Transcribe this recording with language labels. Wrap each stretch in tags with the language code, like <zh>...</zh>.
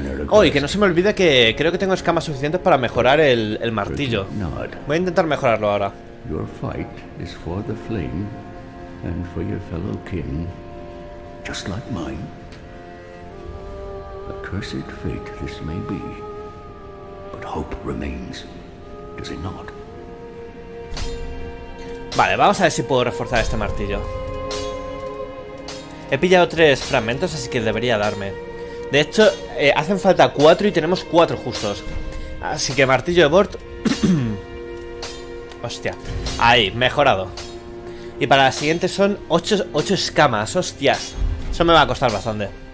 <es>Oh, y que no se me olvide que creo que tengo escamas suficientes para mejorar el martillo. Voy a intentar mejorarlo ahora.</es> <en>Your fight is for the flame and for your fellow kin, just like mine. A cursed fate this may be, but hope remains, does it not?</en> <es>Vale, vamos a ver si puedo reforzar este martillo. He pillado tres fragmentos, así que debería darme. De hecho, hacen falta 4 y tenemos 4 justos. Así que martillo de Bort. Hostia. Ahí, mejorado. Y para la siguiente son 8 escamas. Hostias. Eso me va a costar bastante.</es>